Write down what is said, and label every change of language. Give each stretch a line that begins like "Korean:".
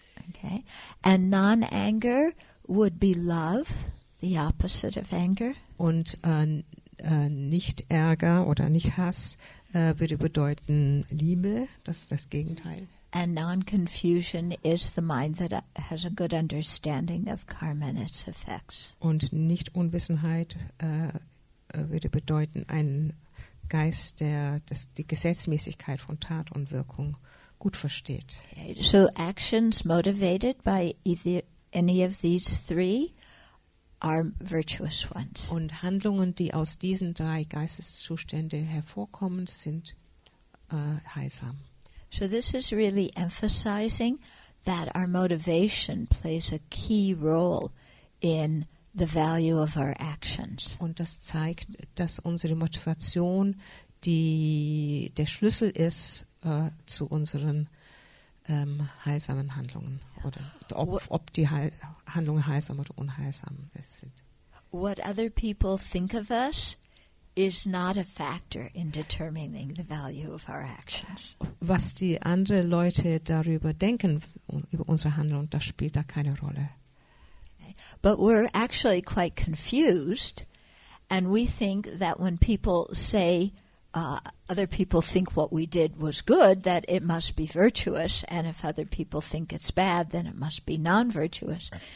English: Okay. And non-anger would be love, the opposite of anger.
German: Und nicht Ärger oder nicht Hass würde bedeuten Liebe, das ist das Gegenteil.
English: And non-confusion is the mind that has a good understanding of karma and its effects.
German: Und nicht Unwissenheit würde bedeuten, einen Geist, der die Gesetzmäßigkeit von Tat und Wirkung gut versteht.
English: Okay. So actions motivated by either any of these three are virtuous ones.
German: Und Handlungen, die aus diesen drei Geisteszuständen hervorkommen, sind heilsam.
English: So this is really emphasizing that our motivation plays a key role in the value of our actions.
German: Und das zeigt, dass unsere Motivation der Schlüssel ist zu unseren heilsamen Handlungen. Yeah. Oder ob die Handlungen heilsam oder unheilsam sind.
English: What other people think of us is not a factor in determining the value of our actions.
German: Was die anderen Leute darüber denken, über unsere Handlungen, das spielt da keine Rolle.
English: But we're actually quite confused, and we think that when people say, other people think what we did was good, that it must be virtuous, and if other people think it's bad, then it must be non-virtuous.